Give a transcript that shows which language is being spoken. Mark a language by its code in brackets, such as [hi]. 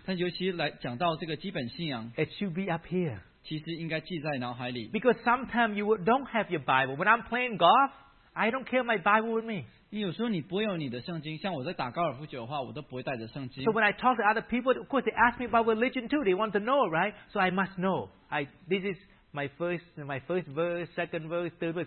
[zh] 但尤其来讲到这个基本信仰, [en] it should be up here. [zh] 其实应该记在脑海里. [en] Because sometimes you don't have your Bible. When I'm playing golf, I don't carry my Bible with me. [zh] 因为有时候你不会有你的圣经，像我在打高尔夫球的话，我都不会带着圣经。 [en] So when I talk to other people, of course they ask me about religion too. They want to know, right? So I must know. This is my first verse, second verse, third verse.